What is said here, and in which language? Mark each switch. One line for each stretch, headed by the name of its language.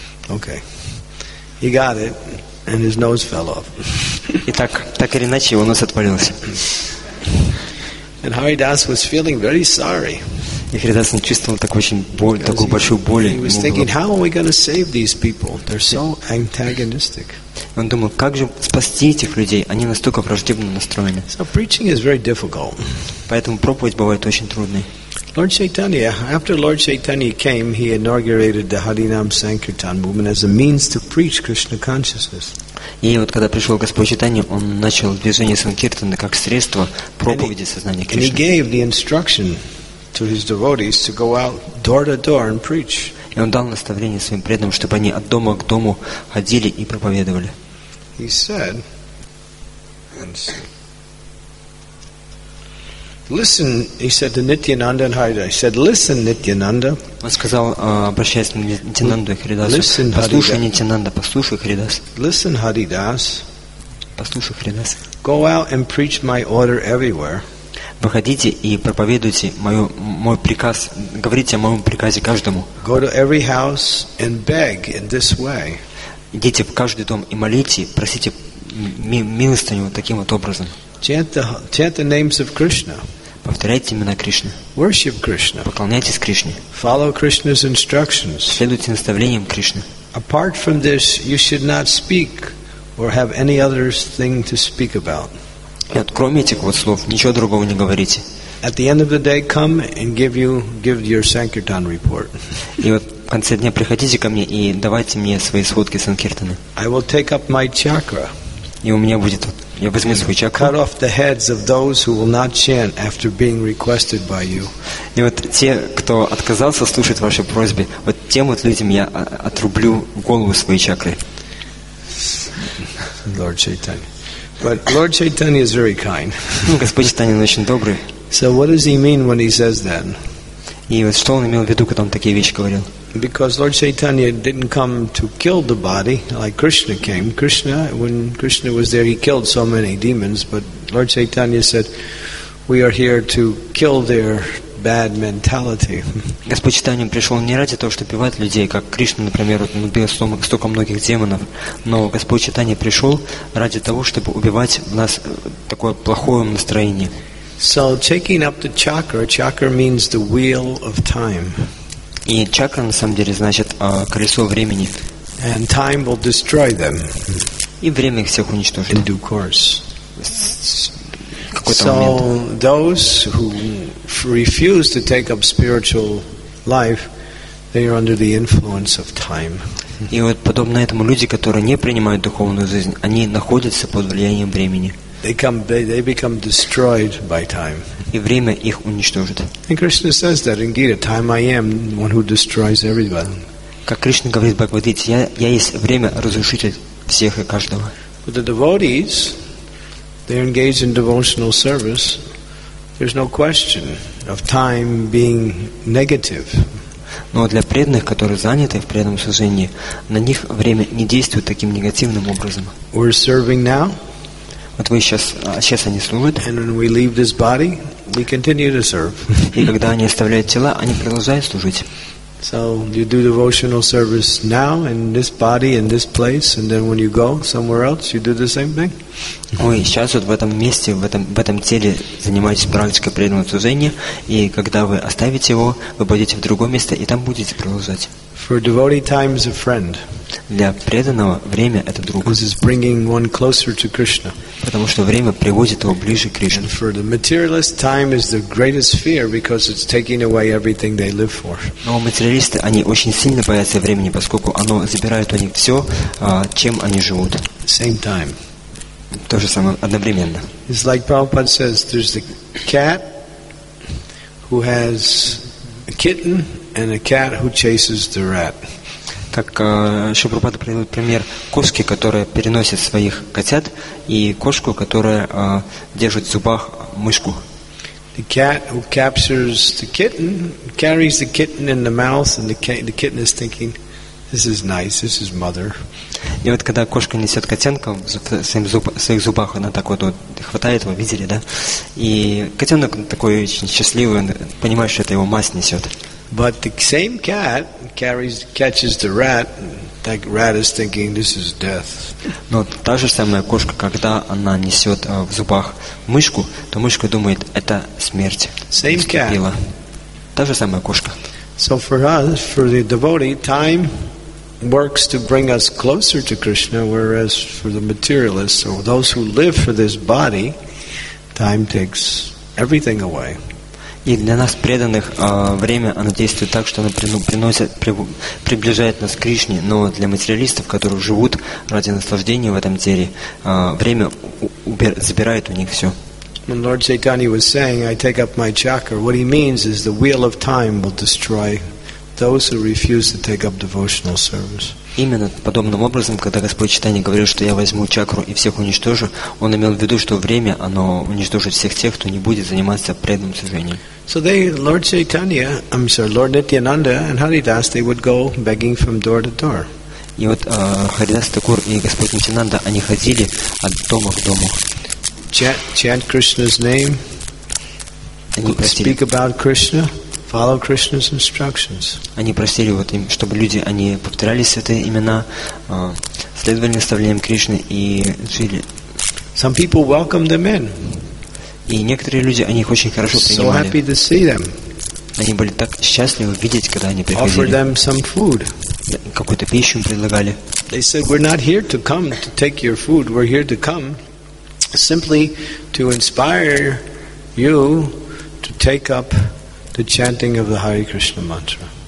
English: Okay. He got it and his nose fell off.
Russian: Итак, так или иначе, его нос отвалился.
English: And Haridas was feeling very sorry.
Russian: И Харидас чувствовал такую большую боль.
English: He was thinking, how are we going to save these people? They're so antagonistic.
Russian: Он думал, как же спасти этих людей? Они настолько враждебно настроены.
English: So preaching is very difficult.
Russian: Поэтому проповедь бывает очень трудной.
English: Lord Chaitanya, after Lord Chaitanya came, he inaugurated the Harinam Sankirtan movement as a means to preach Krishna consciousness.
Russian: И вот когда пришел Господь Чайтанья, он начал движение Санкиртаны как средство проповеди сознания Кришны.
English: And he gave the instruction to his devotees to go out door to door and preach.
Russian: И он дал наставление своим преданным, чтобы они от дома к дому ходили и проповедовали.
English: He said, listen, he said to Nityananda and Haridas. He said, listen, Nityananda.
Russian: Он сказал, обращаясь к Нитянанду и Харидасу.
English: Listen,
Russian: послушай, Нитянанда, послушай, Харидас.
English: Listen, Haridas.
Russian: Послушай, Харидас.
English: Go out and preach my order everywhere.
Russian: Выходите и проповедуйте мой приказ, говорите о моем приказе каждому.
English: Go to every house and beg in this way.
Russian: Идите в каждый дом и молите, просите милостыню таким вот образом.
English: Chant the names of Krishna.
Russian: Повторяйте имена Кришны.
English: Worship Krishna.
Russian: Поклоняйтесь Кришне.
English: Follow Krishna's instructions.
Russian: Следуйте наставлениям Кришны.
English: Apart from this, you should not speak or have any other thing to speak about.
Russian: Нет, кроме этих вот слов, ничего другого не говорите.
English: At the end of the day, come and give your Sankirtan report.
Russian: И вот в конце дня приходите ко мне и давайте мне свои сводки Санкиртаны.
English: I will take up my chakra.
Russian: И у меня будет вот, я возьму свой чакру.
English: Cut off the heads of those who will not chant after being requested by you.
Russian: И вот те, кто отказался слушать ваши просьбы, вот тем вот людям я отрублю голову своей чакры.
English: Lord Chaitanya. But Lord Chaitanya is very kind.
Russian: Ну, Господь Чайтанья очень добрый.
English: So what does he mean when he says that?
Russian: И вот что он имел в виду, когда он такие вещи говорил?
English: Because Lord Chaitanya didn't come to kill the body like Krishna came. Krishna, when Krishna was there, he killed so many demons. But Lord Chaitanya said, we are here to kill their bad mentality.
Russian: Господь Чайтанья пришел не ради того, чтобы убивать людей, как Кришна, например, убил столько многих демонов. Но Господь Чайтанья пришел ради того, чтобы убивать в нас такое плохое настроение.
English: So taking up the chakra means the wheel of time.
Russian: И чакра на самом деле значит колесо времени.
English: And time will destroy them.
Russian: И время их всех уничтожит.
English: In due course.
Russian: Какой-то so момент.
English: Those who refuse to take up spiritual life, they are under the influence of time.
Russian: И вот подобно этому люди, которые не принимают духовную жизнь, они находятся под влиянием времени.
English: They become destroyed by time.
Russian: И время их уничтожит.
English: And Krishna says that in Gita, time I am one who destroys everybody.
Russian: Как Кришна говорит в Бхагавад-гите, я есть время разрушитель всех и каждого.
English: But the devotees, they are engaged in devotional service. There's no question of time being negative.
Russian: Но для преданных, которые заняты в преданном служении, на них время не действует таким негативным образом.
English: We're serving now.
Russian: Вот вы сейчас они служат.
English: And when we leave this body, we continue to serve.
Russian: И когда они оставляют тела, они продолжают служить.
English: So you do devotional service now in this body, in this place, and then when you go somewhere else, you do the same thing.
Russian: Ой, сейчас вот в этом месте, в этом теле занимаетесь практикой преданного служения, и когда вы оставите его, вы пойдете в другое место и там будете продолжать.
English: For devotee, time is a friend.
Russian: Для преданного время это друг.
English: Because it's bringing one closer to Krishna.
Russian: Потому что время приводит его ближе к Кришне.
English: And for the materialist, time is the greatest fear because it's taking away everything they live for.
Russian: Но материалисты они очень сильно боятся времени, поскольку оно забирает у них все, чем они живут.
English: Same time.
Russian: То же самое одновременно.
English: It's like Prabhupada says, there's the cat who has a kitten and a cat who chases the rat.
Russian: Так Шрила приводит пример кошки, которая переносит своих котят, и кошку, которая держит в зубах мышку.
English: The cat who captures the kitten carries the kitten in the mouth, and the kitten is thinking, "This is nice. This is mother."
Russian: И вот когда кошка несет котенка в своих зубах, она так вот, хватает его, видели, да? И котенок такой очень счастливый, он понимает, что это его мать несет.
English: But the same cat catches the rat, that rat is thinking, "This is death."
Russian: Но та же самая кошка, когда она несет в зубах мышку, то мышка думает, это смерть.
English: Same cat.
Russian: Та же самая кошка.
English: So for us, for the devotee, time works to bring us closer to Krishna, whereas for the materialists, or those who live for this body, time takes everything away.
Russian: И для нас преданных время оно действует так, что оно приближает нас к Кришне, но для материалистов, которые живут ради наслаждения в этом теле, время забирает у них все.
English: When Lord Chaitanya was saying, "I take up my chakra," what he means is the wheel of time will destroy those who refuse to take up devotional service.
Russian: Именно подобным образом, когда Господь Чайтанья говорил, что я возьму чакру и всех уничтожу, он имел в виду, что время, оно уничтожит всех тех, кто не будет заниматься преданным служением.
English: So they, Lord Nityananda and Haridas, they would go begging from door to door.
Russian: И вот Харидас Такур и Господь Нитянанда, они ходили от дома к дому.
English: Chant Krishna's name.
Russian: Они просили.
English: Speak about Krishna. Follow Krishna's instructions.
Russian: Они просили вот им, чтобы люди они повторяли святые имена, следовали наставлениям Кришны и жили.
English: Some people welcomed them in.
Russian: И некоторые люди они их очень хорошо принимали.
English: So happy to see them.
Russian: Они были так счастливы видеть, когда они приходили.
English: Offered them some food.
Russian: Какую-то пищу им предлагали.
English: They said, "We're not here to come to take your food. We're here to come simply to inspire you to take up the chanting of the Hare Krishna mantra."